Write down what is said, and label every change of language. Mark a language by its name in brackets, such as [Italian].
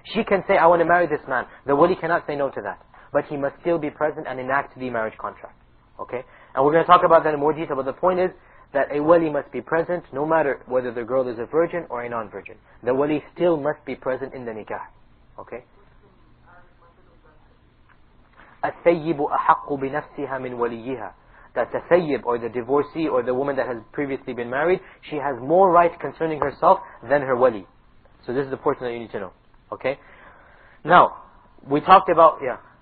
[English] She can say, I want to marry this man. The wali cannot say no to that. But he must still be present and enact the marriage contract. Okay? And we're going to talk about that in more detail. But the point is that a wali must be present no matter whether the girl is a virgin or a non-virgin. The wali still must be present in the nikah. Okay? [Arabic] الثيب أحق بنفسها من وليها. [English] That the thayyib, or the divorcee, or the woman that has previously been married, she has more rights concerning herself than her wali. So this is the portion that you need to know. Okay? Now, we talked about... Yeah.